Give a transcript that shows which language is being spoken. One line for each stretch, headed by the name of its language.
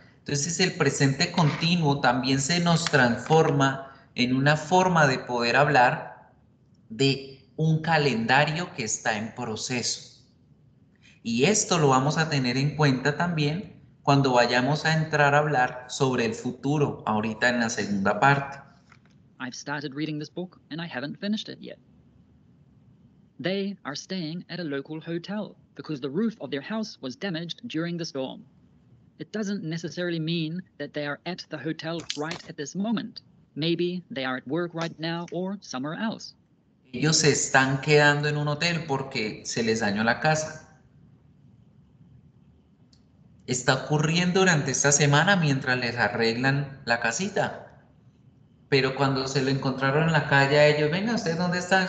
Spanish: Entonces, el presente continuo también se nos transforma en una forma de poder hablar de un calendario que está en proceso. Y esto lo vamos a tener en cuenta también cuando vayamos a entrar a hablar sobre el futuro, ahorita en la segunda parte.
English: I've started reading this book and I haven't finished it yet. They are staying at a local hotel because the roof of their house was damaged during the storm. It doesn't necessarily mean that they are at the hotel right at this moment. Maybe they are at work right now or somewhere else.
Spanish: Ellos se están quedando en un hotel porque se les dañó la casa. Está ocurriendo durante esta semana mientras les arreglan la casita. Pero cuando se lo encontraron en la calle, ellos, venga, ¿ustedes dónde están?